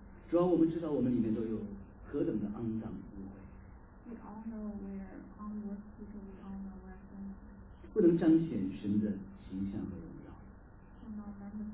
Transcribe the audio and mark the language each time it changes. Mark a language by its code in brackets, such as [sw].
[zh] 主要我们知道我们里面都有何等的肮脏污秽。 [en] We all know we're unworthy, so we all know we're sinners. [zh] 不能彰显神的形象和荣耀。